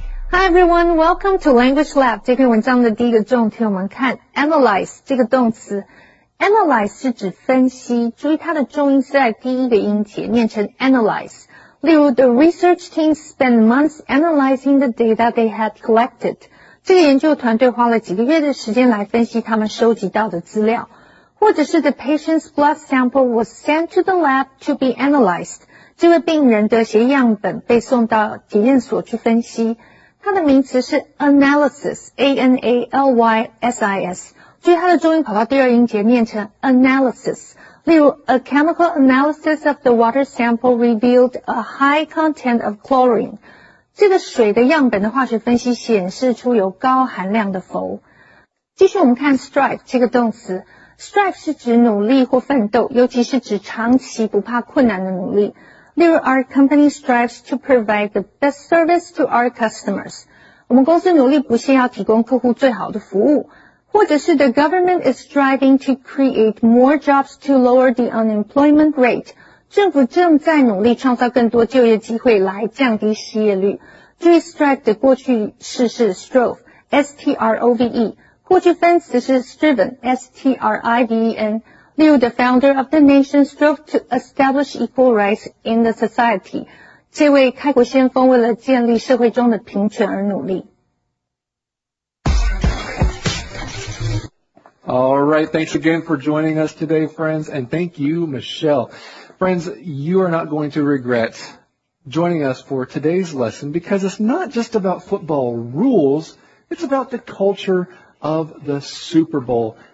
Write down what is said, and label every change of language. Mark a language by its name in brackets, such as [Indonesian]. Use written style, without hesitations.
[English] Hi everyone, welcome to Language Lab. [Chinese] 这篇文章的第一个重点我们看 analyze 这个动词。 analyze 是指分析，注意它的重音是在第一个音节，念成 analyze。 [English] 例如 ,the research team spent months analyzing the data they had collected. [Chinese] 这个研究团队花了几个月的时间来分析他们收集到的资料。或者是 [English] the patient's blood sample was sent to the lab to be analyzed. [Chinese] 这位病人的血液样本被送到检验所去分析。它的名词是 analysis, A-N-A-L-Y-S-I-S, 注意它的重音跑到第二音节念成 analysis, 例如 [English] a chemical analysis of the water sample revealed a high content of chlorine, [Chinese] 这个水的样本的化学分析显示出有高含量的氟。继续我们看 strive 这个动词， strive 是指努力或奋斗，尤其是指长期不怕困难的努力。 [English] 例如 ,our company strives to provide the best service to our customers. [Chinese] 我们公司努力不懈要提供客户最好的服务。或者是 [English] ,the government is striving to create more jobs to lower the unemployment rate. [Chinese] 政府正在努力创造更多就业机会来降低失业率。 [English] 注意 strive [Chinese] 的过去式是 [English] strove, S-T-R-O-V-E, [Chinese] 过去分词是 [English] striven, S-T-R-I-V-E-N,例如 the founder of the nation strove to establish equal rights in the society. [Chinese] 这位开国先锋为了建立社会中的平权而努力。 [English] All right, thanks again for joining us today, friends, and thank you, Michelle. Friends, you are not going to regret joining us for today's lesson because it's not just about football rules, it's about the culture of the Super Bowl.